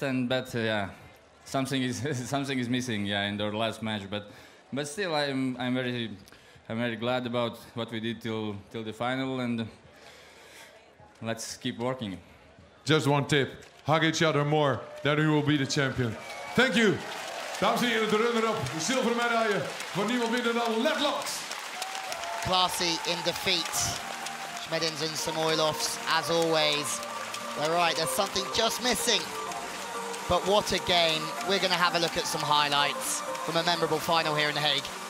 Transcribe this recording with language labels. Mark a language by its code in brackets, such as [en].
[en] But something is missing. Yeah, in our last match. But still, I'm very glad about what we did till the final, and let's keep working. Just one tip: hug each other more. Then you will be the champion. Thank you. [nl] Dames en heren, de runner-up, de zilveren medaille voor niemand minder dan Letlands. [en] Classy in defeat. SMEDINS and SAMOILOVS, as always. They're right, there's something just missing. But what a game. We're going to have a look at some highlights from a memorable final here in The Hague.